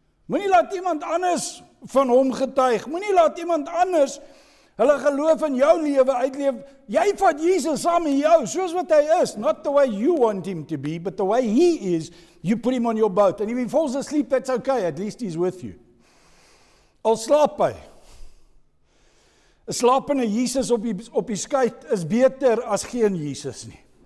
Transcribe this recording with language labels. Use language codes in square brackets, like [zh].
[af] Moenie laat iemand anders van hom getuig. Moenie laat iemand anders hulle geloof in jou lewe uitleef. Jy vat Jesus saam met jou, soos wat hy is. [en] Not the way you want him to be, but the way he is, you put him on your boat. And if he falls asleep, that's okay. At least he's with you. [af] Al slaap hy. 'n slapende Jesus op die skuit is beter as geen Jesus nie.